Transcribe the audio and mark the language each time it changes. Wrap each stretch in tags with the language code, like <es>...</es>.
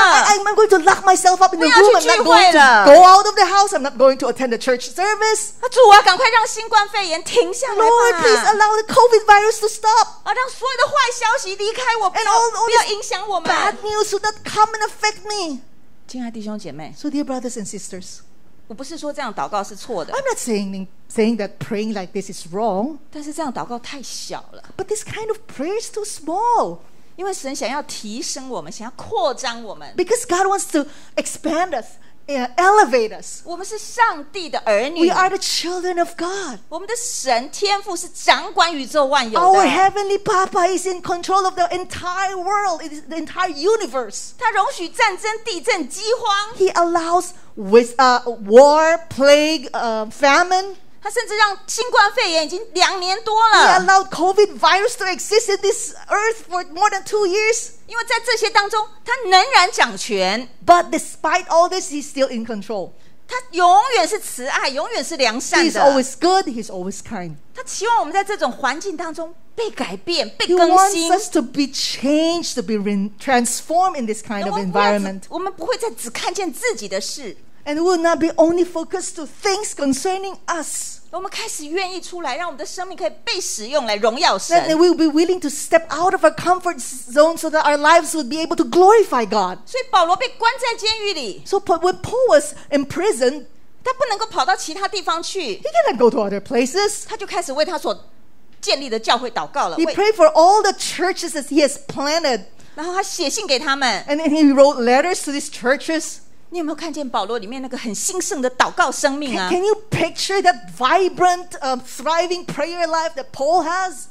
<en>I'm going to lock myself up in the room I'm not going to go out of the house I'm not going to attend the church service</en> <zh>主啊, 赶快让新冠肺炎停下来吧</zh> <en>Lord, please allow the COVID virus to stop</en> <zh>让所有的坏消息离开我 不要影响我们</zh> <en>bad news should not come and affect me</en> <zh>亲爱弟兄姐妹</zh> <en>So dear brothers and sisters</en> <zh>我不是说这样祷告是错的</zh> <en>I'm not saying that praying like this is wrong</en> <zh>但是这样祷告太小了</zh> <en>But this kind of prayer is too small</en> <zh>因为神想要提升我们 想要扩张我们</zh> <en>Because God wants to expand us and elevate us</en> <zh>我们是上帝的儿女</zh> <en>We are the children of God</en> <zh>我们的神天父是掌管宇宙万有的</zh> <en>Our heavenly Papa is in control of the entire world It is the entire universe</en> <zh>他容许战争地震饥荒</zh> <en>He allows with war, plague, famine</en> <zh>他甚至让新冠肺炎已经两年多了</zh> <en>He allowed COVID virus to exist in this earth for more than 2 years</en> <zh>因为在这些当中他仍然掌权</zh> <en>But despite all this, he's still in control</en> <zh>他永远是慈爱，永远是良善的。</zh> <en>He's always good. He's always kind.</en> <zh>他希望我们在这种环境当中被改变，被更新。</zh> <en>He wants us to be changed, to be transformed in this kind of environment.</en> <zh>我们不会再只看见自己的事。</zh> <en>And we will not be only focused to things concerning us.</en> <zh>我们开始愿意出来，让我们的生命可以被使用来荣耀神。</zh> <en>Then we will be willing to step out of our comfort zone so that our lives would be able to glorify God.</en> <zh>所以保罗被关在监狱里。</zh> <en>So when Paul was imprisoned,</en> <zh>他不能够跑到其他地方去。</zh> <en>He cannot go to other places.</en> <zh>他就开始为他所建立的教会祷告了。</zh> <en>He prayed for all the churches that he has planted.</en> <zh>然后他写信给他们。</zh> <en>And then he wrote letters to these churches.</en> <zh>你有没有看见保罗里面那个很兴盛的祷告生命啊？</zh> <en>Can you picture that vibrant, thriving prayer life that Paul has?</en>